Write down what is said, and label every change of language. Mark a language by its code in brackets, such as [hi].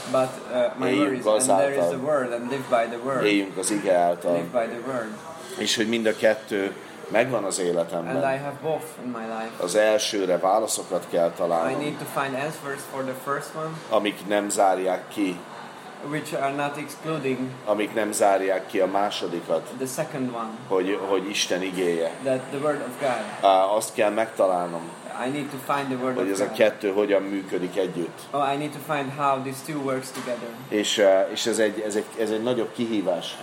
[en] But my worries, and there is the word, and live by the word. [hu] Éljünk az ige által. [en] Live by the word. [hu] És hogy mind a kettő megvan az életemben. [en] And I have both in my life. [hu] Az elsőre válaszokat kell találnom. [en] I need to find answers for the first one. [hu] Amik nem zárják ki. [en] which are not excluding, [hu] amik nem zárják ki a másodikat, [en] the second one, [hu] hogy Isten igéje, [en] that the word of God, [hu] azt kell megtalálnom, [en] I need to find the word [hu] hogy ez [en] of [hu] a kettő hogyan működik együtt. [en] Oh, I need to find how these two works together. [hu] És ez egy nagyobb kihívás.